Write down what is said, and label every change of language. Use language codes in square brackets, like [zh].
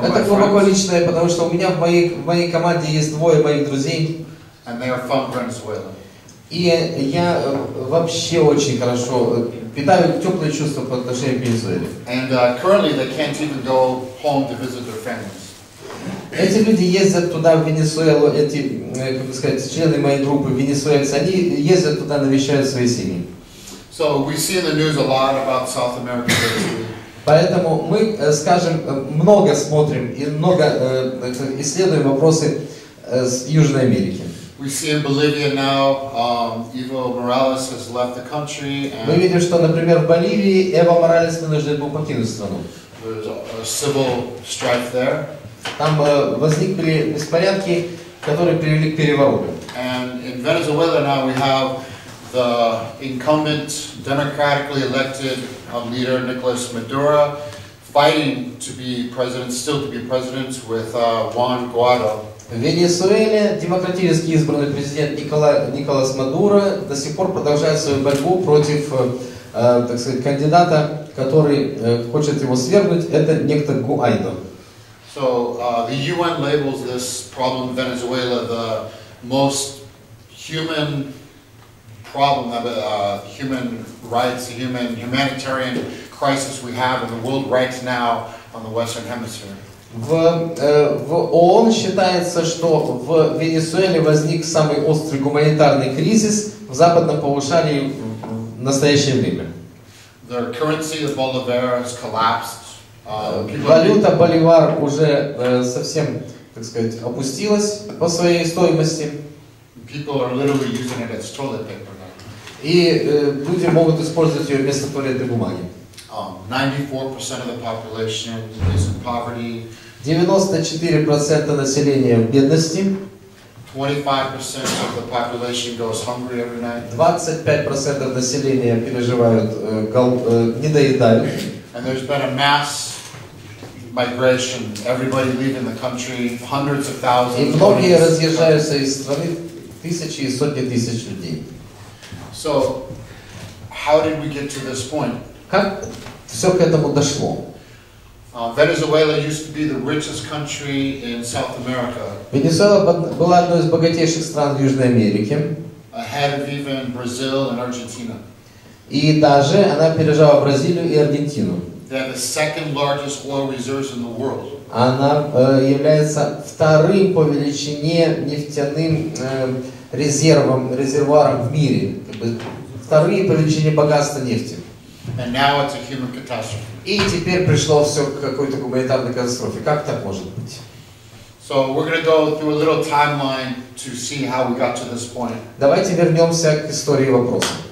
[ru] Это глубоко личное, потому что у меня в моей команде есть двое моих друзей. [en] And they are from Venezuela. [ru] И я вообще очень хорошо питаю теплые чувства по отношению к Венесуэле. [en] And currently they can't even go home to visit their families. [ru] Эти люди ездят туда, в Венесуэлу, эти, как бы сказать, члены моей группы венесуэльцы, они ездят туда, навещают свои семьи. [en] So we see in the news a lot about South America. [ru] Поэтому мы, скажем, много смотрим и много исследуем вопросы с Южной Америки. [en] We see in Bolivia now, Evo Morales has left the country. [ru] Мы видим, что, например, в Боливии Эво Моралес вынужден был покинуть страну. [en] There's a civil strife there. [ru] Там возникли беспорядки, которые привели к перевороту. [en] And in Venezuela now we have the incumbent, democratically elected leader Nicolas Maduro fighting to be president, still to be president with Juan Guaido. [ru] В Венесуэле демократически избранный президент Николас Мадуро до сих пор продолжает свою борьбу против, так сказать, кандидата, который хочет его свергнуть. Это некто Гуайдо. [en] So the UN labels this problem in Venezuela the most human problem, human rights, humanitarian crisis we have in the world right now on the Western Hemisphere. [ru] В ООН считается, что в Венесуэле возник самый острый гуманитарный кризис в западном полушарии в настоящее время. [en] The currency of Bolivar has collapsed. [ru] Валюта боливар уже совсем, так сказать, опустилась по своей стоимости. [en] People are literally using it as toilet paper now. [ru] И люди могут использовать ее вместо туалетной бумаги. [en] 94% of the population is in poverty. [ru] 94% населения в бедности. [en] 25% of the population goes hungry every night. [ru] 25% населения переживают недоедают. [en] And there's been a mass migration, everybody leaving the country, hundreds of thousands. [ru] И многие разъезжаются из страны, тысячи и сотни тысяч людей. [en] So, how did we get to this point? [ru] Как все к этому дошло? [en] Venezuela used to be the richest country in South America. [ru] Венесуэла была одной из богатейших стран в Южной Америке. [en] Ahead of even Brazil and Argentina. [ru] И даже она опережала Бразилию и Аргентину. [en] They are the second largest oil reserves in the world. [ru] Она является вторым по величине нефтяным резервуаром в мире. Вторым по величине богатства нефти. [en] And now it's a human catastrophe. [ru] И теперь пришло все к какой-то гуманитарной катастрофе. Как так может быть? [en] So we're going to go through a little timeline to see how we got to this point. [ru] Давайте вернемся к истории вопроса.